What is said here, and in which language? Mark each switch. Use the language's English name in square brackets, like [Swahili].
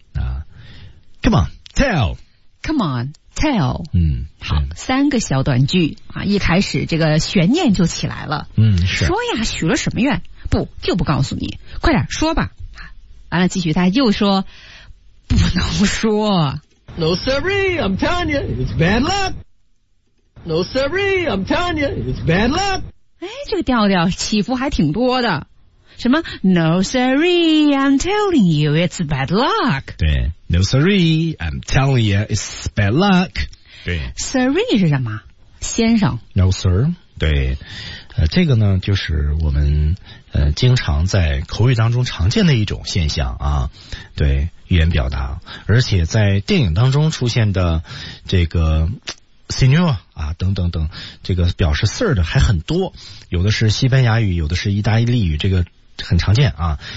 [English] 啊 ，Come on, tell. Come on, tell. 嗯， [Chinese] 好，三个小短句啊，一开始这个悬念就起来了。嗯，是。说呀，许了什么愿？不，就不告诉你，快点说吧。完了，继续他又说，不能说。 [English] No siree, I'm telling you, it's bad luck. No siree, I'm telling you, it's bad luck. [Chinese] 哎，这个调调起伏还挺多的。 [English] 什么 ？No siree, I'm telling you, it's bad luck. 对 ，No siree, I'm telling you, it's bad luck. [Chinese] 对，siree 是什么？先生。 [English] No sir. 对。 [Chinese] 这个呢就是我们经常在口语当中常见的一种现象啊，对，语言表达，而且在电影当中出现的这个 senior 啊等等等，这个表示 sir 的还很多，有的是西班牙语，有的是意大利语，这个很常见啊。